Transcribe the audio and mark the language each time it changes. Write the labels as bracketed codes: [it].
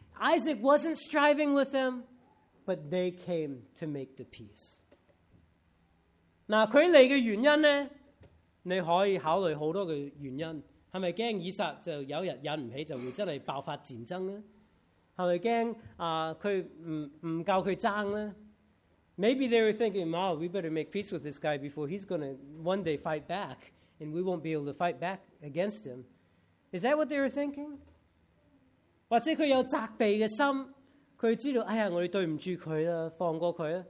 [en] Isaac wasn't striving with them, but they came to make the peace. [yue] 嗱，佢嚟嘅原因咧，你可以考虑好多嘅原因，系咪惊以撒就有日忍唔起就会真系爆发战争咧？系咪惊啊？佢唔够佢争咧 [en] ？Maybe they were thinking, "Wow, we better make peace with this guy before he's going to one day fight back, and we won't be able to fight back against him." Is that what they were thinking? [yue] 或者佢有责备嘅心，佢知道，哎呀，我哋對唔住佢啦，放過佢啦。